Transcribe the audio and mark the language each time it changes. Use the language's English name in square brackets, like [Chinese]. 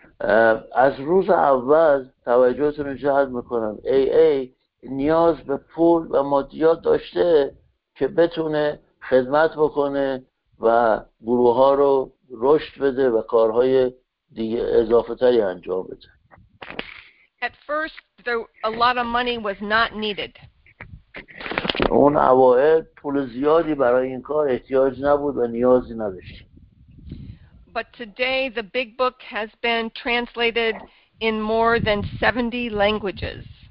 [Persian] از روز اول توجهتون رو جلب میکنم. AA نیاز به پول و مادیات داشته که بتونه خدمت بکنه و گروه ها رو رشد بده و کارهای دیگه اضافه تری انجام بده. [English] At first, a lot of money was not needed. [Persian] اون اوائل پول زیادی برای این کار احتیاج نبود و نیازی نداشت. [English] But today, the big book has been translated in more than 70 languages.